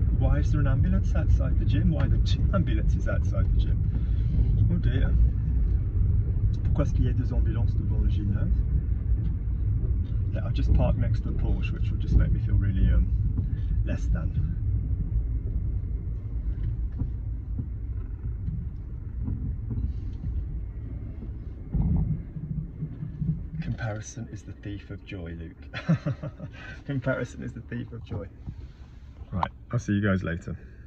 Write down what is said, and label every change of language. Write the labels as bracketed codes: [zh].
[en] Why is there an ambulance outside the gym? Why are there two ambulances outside the gym? Oh dear. [fr] Pourquoi est-ce qu'il y a deux ambulances devant le gymnase? [en] I just parked next to the Porsche, which will just make me feel really less than. Comparison is the thief of joy, Luke. Comparison is the thief of joy. Right, I'll see you guys later.